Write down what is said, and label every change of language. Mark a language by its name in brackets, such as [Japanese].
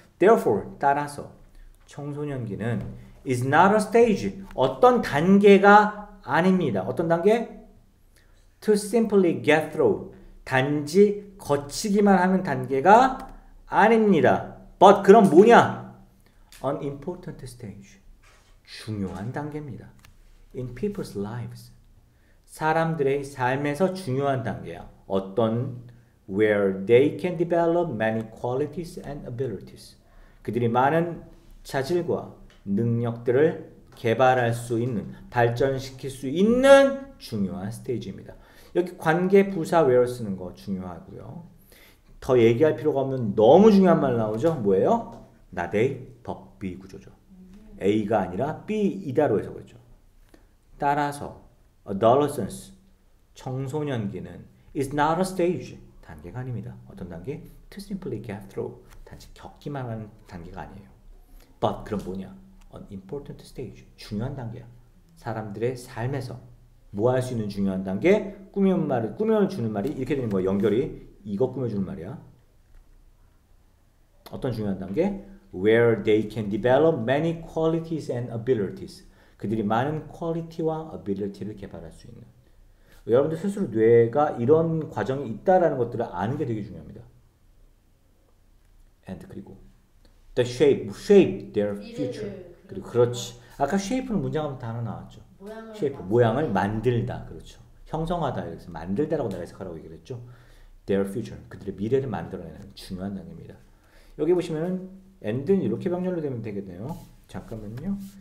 [English] Therefore [Korean] 따라서 청소년기는 [English] is not a stage, [Korean] 어떤 단계가 아닙니다. 어떤 단계? [English] To simply get through, [Korean] 단지 거치기만 하는 단계가 아닙니다. [English] But [Korean] 그럼 뭐냐? [English] An important stage, [Korean] 중요한 단계입니다. [English] In people's lives, [Korean] 사람들의 삶에서 중요한 단계야. 어떤 [English] where they can develop many qualities and abilities, [Korean] 그들이 많은 자질과 능력들을 개발할 수 있는, 발전시킬 수 있는 중요한 스테이지입니다. 여기 관계 부사 where 쓰는 거 중요하고요. 더 얘기할 필요가 없는 너무 중요한 말 나오죠. 뭐예요? 나데이 덕비 구조죠. A가 아니라 B이다로 해서 그랬죠. 따라서 adolescence, 청소년기는 [English] is not a stage, [Korean] 단계가 아닙니다. 어떤 단계? [English] To simply get through, [Korean] 단지 겪기만 하는 단계가 아니에요. [English] But [Korean] 그럼 뭐냐? [English] An important stage, [Korean] 중요한 단계야. 사람들의 삶에서 뭐 할 수 있는 중요한 단계? 꾸며주는 말이 이렇게 되는 거예요. 연결이 이거 꾸며주는 말이야. 어떤 중요한 단계? [English] Where they can develop many qualities and abilities, [Korean] 그들이 많은 퀄리티와 어빌리티를 개발할 수 있는. 여러분들 스스로 뇌가 이런 과정이 있다라는 것들을 아는 게 되게 중요합니다. [English] And [Korean] 그리고 [English] the shape their future. [Korean] 그리고 그렇지. 아까 shape는 문장하면 단어 나왔죠. Shape 모양을 만들다. 그렇죠. 형성하다. 그래서 만들다라고 내가 해석하라고 얘기를 했죠. [English] Their future, [Korean] 그들의 미래를 만들어내는 중요한 단계입니다. 여기 보시면 end는 이렇게 병렬로 되면 되겠네요. 잠깐만요.